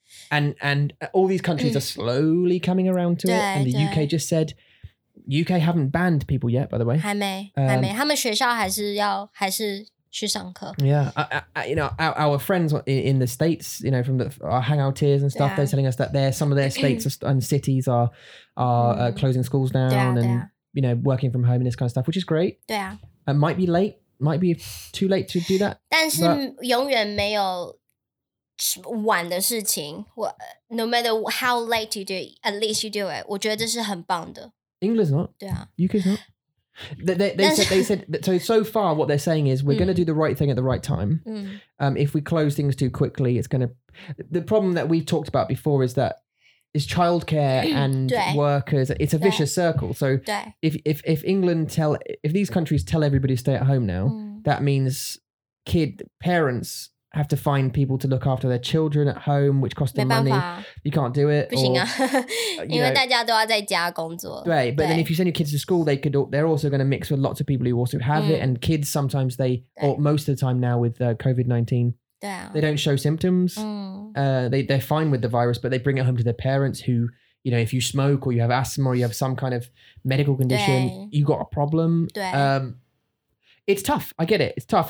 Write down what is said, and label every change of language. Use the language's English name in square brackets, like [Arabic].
[English] And all these countries are slowly coming around to it. And the UK just said, UK haven't banned people yet, by the way. [Chinese] 还没，他们学校还是去上课。 [English] Yeah, you know, our friends in the States, you know, from our hangouters and stuff, they're telling us that some of their states and cities are closing schools down and, you know, working from home and this kind of stuff, which is great. [Chinese] 对啊。 [English] Might be late, might be too late to do that. [Chinese] 但是永远没有晚的事情。 [English] No matter how late you do it, at least you do it. [Chinese] 我觉得这是很棒的。 [English] England's not. [Chinese] 对啊。 [English] UK's not. They said that so far what they're saying is we're going to do the right thing at the right time. If we close things too quickly, it's going to... The problem that we've talked about before is that is childcare and workers. It's a vicious circle. So if these countries tell everybody to stay at home now, that means parents have to find people to look after their children at home, which costs them money. You can't do it. [Chinese] 不行啊，因为大家都要在家工作。 [English] 对， but then if you send your kids to school, they're also going to mix with lots of people who also have it. And kids sometimes most of the time now with COVID-19, they don't show symptoms. They're fine with the virus, but they bring it home to their parents who, you know, if you smoke or you have asthma or you have some kind of medical condition, you got a problem. It's tough. I get it. It's tough.